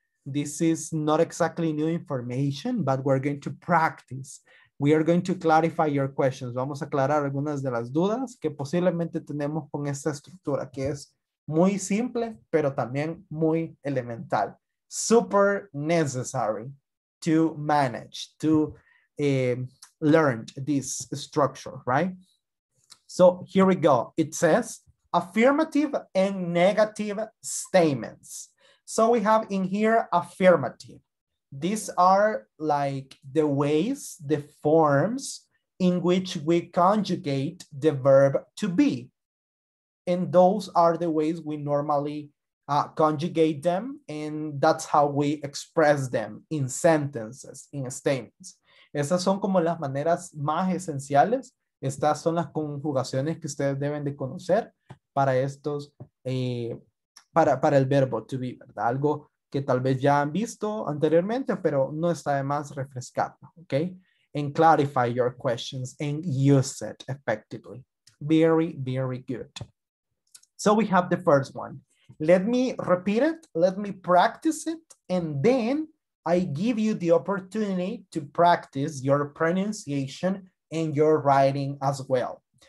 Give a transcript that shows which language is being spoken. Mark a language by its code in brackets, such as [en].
[en] This is not exactly new information, but we're going to practice. We are going to clarify your questions. Vamos a aclarar algunas de las dudas que posiblemente tenemos con esta estructura, que es muy simple, pero también muy elemental. Super necessary to manage, to learn this structure, right? So here we go. It says affirmative and negative statements. So we have in here affirmative. These are like the ways, the forms in which we conjugate the verb to be. And those are the ways we normally conjugate them, and that's how we express them in sentences, in statements. [es] Esas son como las maneras más esenciales. Estas son las conjugaciones que ustedes deben de conocer para estos, para el verbo to be, ¿verdad? Algo que tal vez ya han visto anteriormente, pero no está de más refrescarlo, ¿ok? [en] And clarify your questions and use it effectively. Very, very good. So we have the first one. Let me repeat it, let me practice it, and then I give you the opportunity to practice your pronunciation and your writing as well.